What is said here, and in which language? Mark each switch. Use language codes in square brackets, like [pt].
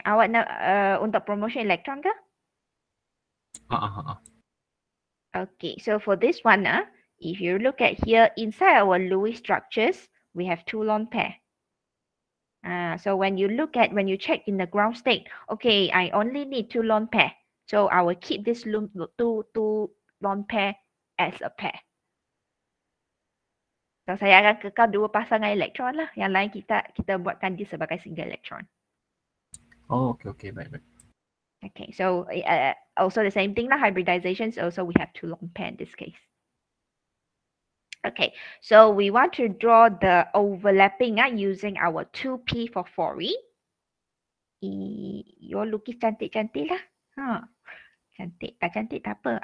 [ms] Awak nak untuk promotion elektron ke? [en] Okay, so for this one if you look at here, inside our Lewis structures, we have 2 lone pair. So when you check in the ground state, okay, I only need 2 lone pair. So I will keep this two lone pair as a pair. [ms] So, saya akan kekal 2 pasangan elektron lah. Yang lain kita buatkan dia sebagai single elektron. Oh, okay. Baik. [en] Okay, so also the same thing lah. Hybridization, so also we have 2 lone pair in this case. Okay, so we want to draw the overlapping using our 2P for 4E. [ms] You lukis cantik-cantik lah. Cantik, tak cantik tak apa.